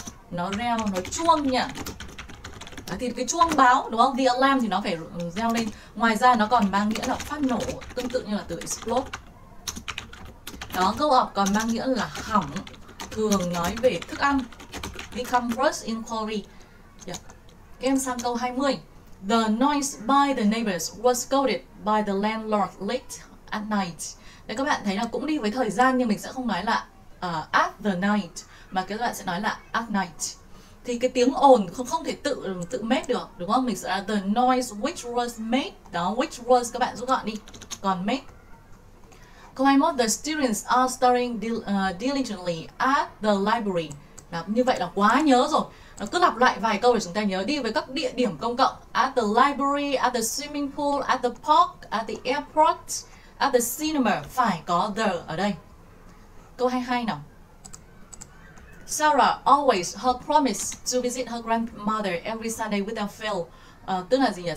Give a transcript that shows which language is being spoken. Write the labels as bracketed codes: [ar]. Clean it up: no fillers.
[vi] Nó reo, nó chuông nhỉ. Đó thì cái chuông báo đúng không? The alarm thì nó phải reo lên. Ngoài ra nó còn mang nghĩa là phát nổ, tương tự như là từ explode. Đó, go off còn mang nghĩa là hỏng, thường nói về thức ăn. [en] Become worse in quality. [vi] Các em sang câu 20. [en] The noise by the neighbors was scolded by the landlord late at night. [vi] Đấy, các bạn thấy là cũng đi với thời gian, nhưng mình sẽ không nói là [en] at the night, [vi] mà các bạn sẽ nói là [en] at night. [vi] Thì cái tiếng ồn không thể tự make được, đúng không? Mình sẽ là [en] the noise which was made. [vi] Đó, which was các bạn rút gọn đi, còn make. Câu 21, [en] the students are studying diligently at the library. [vi] Đó, như vậy là quá nhớ rồi. Nó cứ lặp lại vài câu để chúng ta nhớ. Đi với các địa điểm công cộng: [en] at the library, at the swimming pool, at the park, at the airport, at the cinema. [vi] Phải có the ở đây. Câu 22 nào. [en] Sarah always her promise to visit her grandmother every Sunday without fail. [vi] Tức là gì nhỉ?